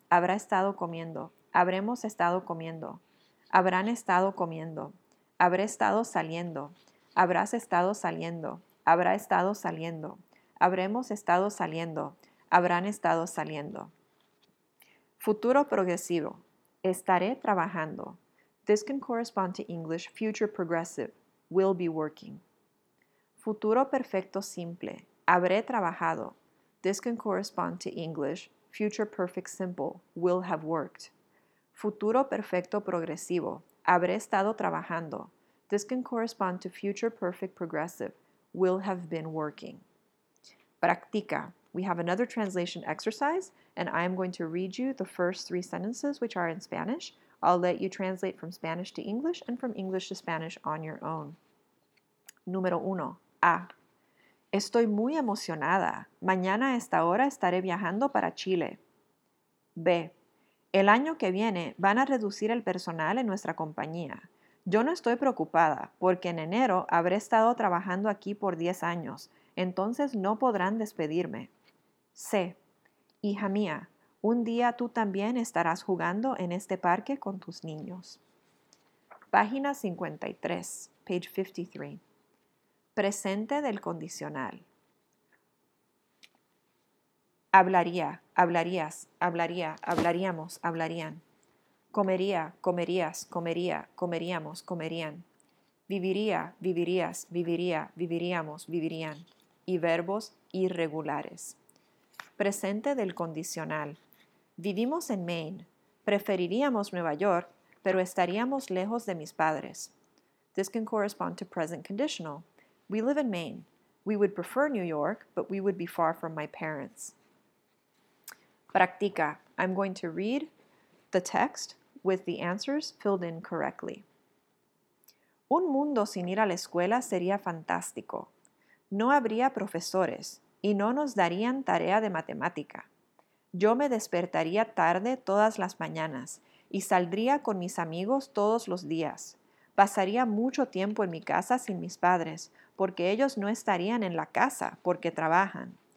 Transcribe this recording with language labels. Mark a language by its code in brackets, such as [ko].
[es] Habrá estado comiendo. Habremos estado comiendo. Habrán estado comiendo. Habré estado saliendo. Habrás estado saliendo. Habrá estado saliendo. Habremos estado saliendo. Habrán estado saliendo. Futuro progresivo. Estaré trabajando. [en] This can correspond to English future progressive. Will be working. [es] Futuro perfecto simple. Habré trabajado. [en] This can correspond to English future perfect simple. Will have worked. [es] Futuro perfecto progresivo. Habré estado trabajando. [en] This can correspond to future perfect progressive. Will have been working. Practica. We have another translation exercise, and I am going to read you the first three sentences, which are in Spanish. I'll let you translate from Spanish to English and from English to Spanish on your own. [es] Número uno. A. Estoy muy emocionada. Mañana a esta hora estaré viajando para Chile. B. El año que viene van a reducir el personal en nuestra compañía. Yo no estoy preocupada porque en enero habré estado trabajando aquí por 10 años. Entonces no podrán despedirme. C. Hija mía, un día tú también estarás jugando en este parque con tus niños. Página 53, [en] page 53. [es] Presente del condicional. Hablaría, hablarías, hablaría, hablaríamos, hablarían. Comería, comerías, comería, comeríamos, comerían. Viviría, vivirías, viviría, viviríamos, vivirían. Y verbos irregulares. Presente del condicional. Vivimos en Maine. Preferiríamos Nueva York, pero estaríamos lejos de mis padres. [en] This can correspond to present conditional. We live in Maine. We would prefer New York, but we would be far from my parents. Practica. I'm going to read the text with the answers filled in correctly. [es] Un mundo sin ir a la escuela sería fantástico. No habría profesores y no nos darían tarea de matemática. Yo me despertaría tarde todas las mañanas y saldría con mis amigos todos los días. Pasaría mucho tiempo en mi casa sin mis padres porque ellos no estarían en la casa porque trabajan.